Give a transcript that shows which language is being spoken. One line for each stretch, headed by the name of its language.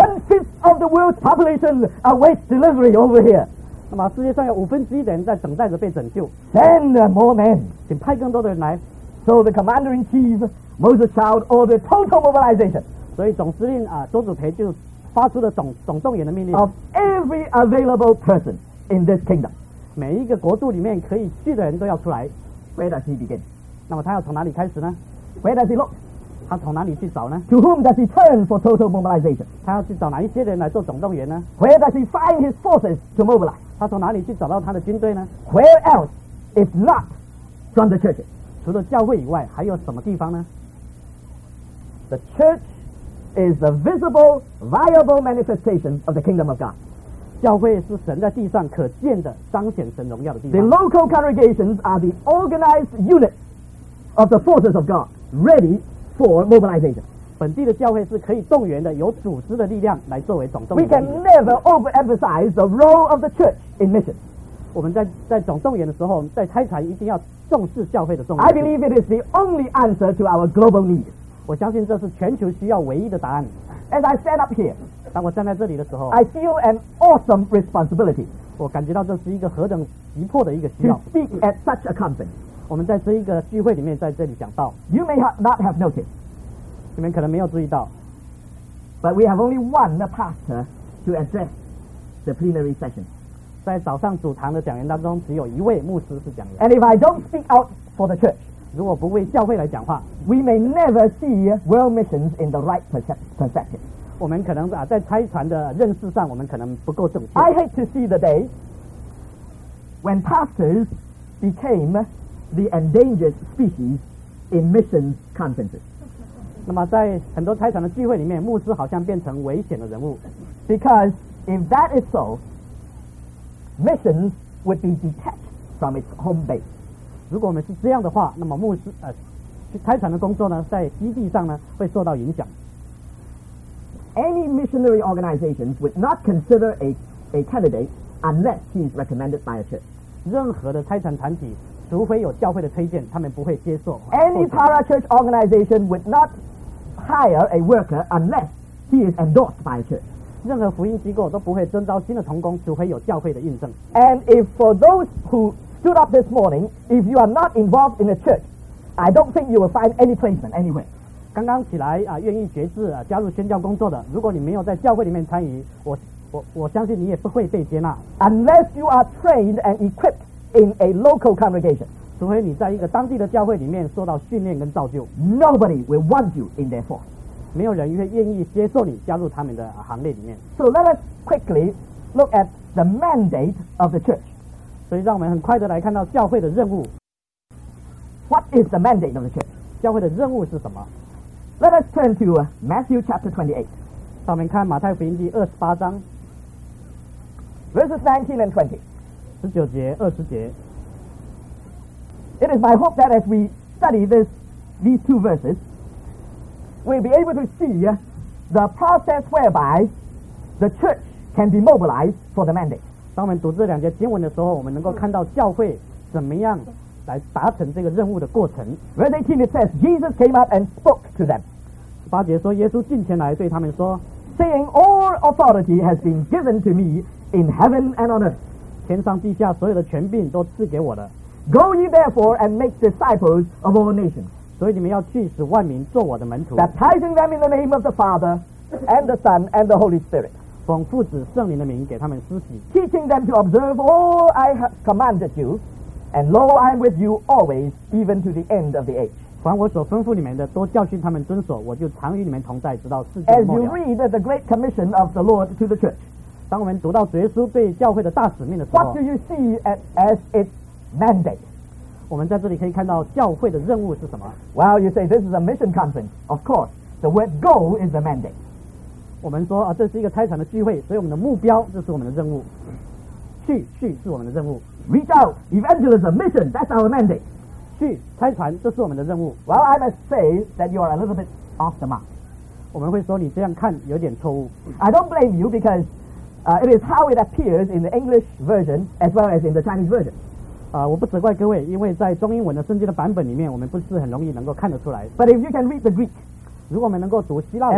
English: One-fifth of the world's population awaits delivery over here.
Chinese: 那么世界上有五分之一的人在等待着被拯救。
English: Send more men.
Chinese: 请派更多的人来。
English: So the commander-in-chief, Moses Child, ordered total mobilization.
Chinese: 所以总司令周子培就发出了总动员的命令。
English: Of every available person in this kingdom.
Chinese: 每一个国度里面可以去的人都要出来。
English: Where does he begin?
Chinese: 那么他要从哪里开始呢？
English: Where does he look?
Chinese: 他从哪里去找呢？
English: To whom does he turn for total mobilization?
Chinese: 他要去找哪一些人来做总动员呢？
English: Where does he find his forces to mobilize?
Chinese: 他从哪里去找到他的军队呢？
English: Where else if not from the churches?
Chinese: 除了教会以外还有什么地方呢？
English: The church is the visible, viable manifestation of the kingdom of God.
Chinese: 教会是神在地上可见的彰显神荣耀的地方。
English: The local congregations are the organized unit of the forces of God ready for mobilization.
Chinese: 本地的教会是可以动员的，有组织的力量来作为总动员。
English: We can never overemphasize the role of the church in mission.
Chinese: 我们在总动员的时候，在差遣一定要重视教会的重要性。
English: I believe it is the only answer to our global need.
Chinese: 我相信这是全球需要唯一的答案。
English: As I stand up here,
Chinese: 当我站在这里的时候
English: I feel an awesome responsibility
Chinese: 我感觉到这是一个何等急迫的一个需要
English: to speak at such a conference
Chinese: 我们在这一个聚会里面在这里讲道
English: You may not have noticed
Chinese: 你们可能没有注意到
English: But we have only one pastor to address the plenary session
Chinese: 在早上主堂的讲员当中只有一位牧师是讲员
English: And if I don't speak out for the church
Chinese: 如果不为教会来讲话
English: We may never see world missions in the right perspective
Chinese: 我们可能在差传的认识上我们可能不够正确
English: I hate to see the day when pastors became the endangered species in mission conferences
Chinese: 那么在很多差传的聚会里面牧师好像变成危险的人物
English: because if that is so missions would be detached from its home base
Chinese: 如果我们是这样的话那么牧师差传的工作呢在基地上呢会受到影响
English: Any missionary organization would not consider a candidate unless he is recommended by a church.
Chinese: 任何的差遣团体，除非有教会的推荐，他们不会接受。
English: Any parachurch organization would not hire a worker unless he is endorsed by a church.
Chinese: 任何福音机构都不会征召新的同工，除非有教会的印证。
English: And if for those who stood up this morning, if you are not involved in a church, I don't think you will find any placement anywhere.
Chinese: 刚刚起来愿意决志加入宣教工作的如果你没有在教会里面参与 我相信你也不会被接纳
English: Unless you are trained and equipped in a local congregation
Chinese: 除非你在一个当地的教会里面受到训练跟造就
English: Nobody will want you in their force
Chinese: 没有人会愿意接受你加入他们的行列里面
English: So let us quickly look at the mandate of the church
Chinese: 所以让我们很快的来看到教会的任务
English: What is the mandate of the church?
Chinese: 教会的任务是什么
English: Let us turn to Matthew chapter 28.
Chinese: 上面看马太福音第二十八章
English: Verses 19 and 20.
Chinese: 十九节二十节
English: It is my hope that as we study these two verses, we'll be able to see the process whereby the church can be mobilized for the mandate.
Chinese: 当我们读这两节经文的时候，我们能够看到教会怎么样来达成这个任务的过程
English: Verse 18 it says Jesus came up and spoke to them
Chinese: 八节说耶稣近前来对他们说
English: Saying all authority has been given to me in heaven and on earth
Chinese: 天上地下所有的权柄都赐给我的
English: Go ye therefore and make disciples of all nations
Chinese: 所以你们要去使万民做我的门徒
English: Baptizing them in the name of the Father and the Son and the Holy Spirit
Chinese: 奉父子圣灵的名给他们施洗
English: Teaching them to observe all I have commanded youAnd lo, I am with you always, even to the end of the age.
Chinese: 凡我所吩咐你们的，都教训他们遵守，我就常与你们同在，直到世界末
English: 了。As you read the great commission of the Lord to the church,
Chinese: 当我们读到主耶稣对教会的大使命的时候
English: ，What do you see as its mandate?
Chinese: 我们在这里可以看到教会的任务是什么
English: ？Well, you say this is a mission conference. Of course, the word "go" is the mandate.
Chinese: 我们说啊，这是一个差遣的聚会，所以我们的目标就是我们的任务。去是我们的任务。
English: Reach out, evangelism, mission, that's our mandate.
Chinese: 去差传，这是我们的任务。
English: Well, I must say that you are a little bit off the mark.
Chinese: 我们会说你这样看有点错误。
English: I don't blame you because it is how it appears in the English version as well as in the Chinese version.
Chinese: 我不责怪各位，因为在中英文的圣经的版本里面，我们不是很容易能够看得出来。
English: But if you can read the Greek,
Chinese: 如果我们能够读希腊文